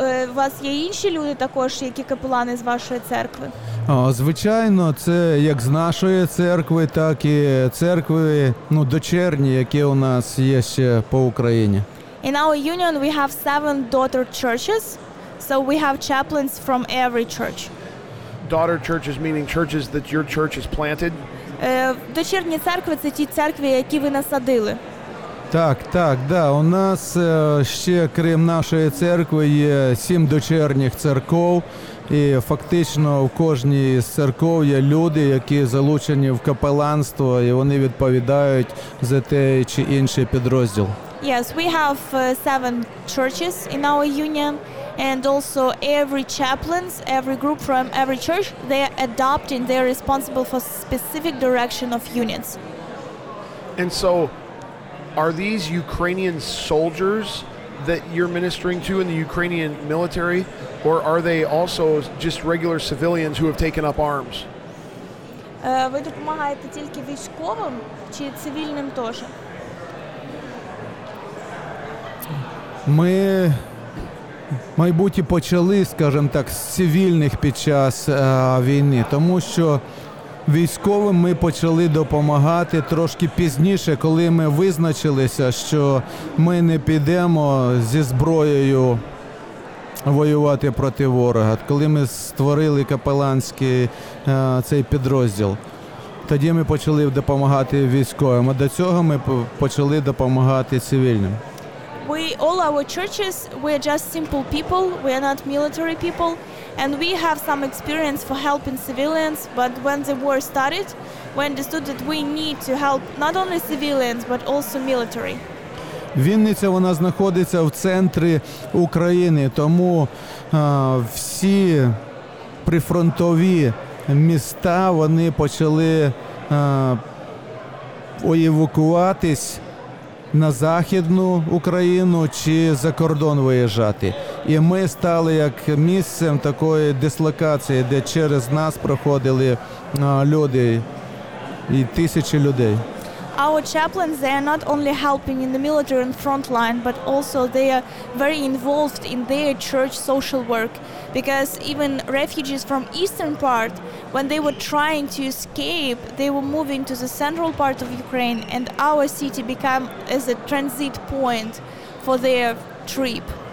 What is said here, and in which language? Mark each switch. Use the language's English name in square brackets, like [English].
[Ukrainian] У вас є інші люди також, які капелани з вашої церкви? Звичайно, це як з нашої церкви, так і церкви, ну, дочерні, які у нас є ще по Україні. [English] In our union we have 7 daughter churches, so we have chaplains from every church. Daughter churches meaning churches that your church has planted? [Ukrainian] Дочерні церкви – це ті церкви, які ви насадили. Так, так, да. У нас ще, крім нашої церкви, є 7 дочерніх церков. І фактично в кожній з церков є люди, які залучені в капеланство, і вони відповідають за те чи інший підрозділ. [English] Yes, we have 7 churches in our union, and also every chaplains, every group from every church, they are adopting, they are responsible for specific direction of units. And so, are these Ukrainian soldiers that you're ministering to in the Ukrainian military, or are they also just regular civilians who have taken up arms? [Ukrainian] Ви допомагаєте тільки військовим чи цивільним теж? Ми майбутнє почали, скажімо так, з цивільних під час війни, тому що військовим ми почали допомагати трошки пізніше, коли ми визначилися, що ми не підемо зі зброєю воювати проти ворога. Коли ми створили капеланський цей підрозділ, тоді ми почали допомагати військовим, а до цього ми почали допомагати цивільним. [English] We, all our churches, we are just simple people, we are not military people, and we have some experience for helping civilians, but when the war started, we understood that we need to help not only civilians, but also military. [Ukrainian] Вінниця, вона знаходиться в центрі України, тому всі прифронтові міста, вони почали евакуюватись на Західну Україну чи за кордон виїжджати. І ми стали як місцем такої дислокації, де через нас проходили люди і тисячі людей. [English] Our chaplains, they are not only helping in the military and front line, but also they are very involved in their church social work. Because even refugees from eastern part, when they were trying to escape, they were moving to the central part of Ukraine, and our city became as a transit point for their trip.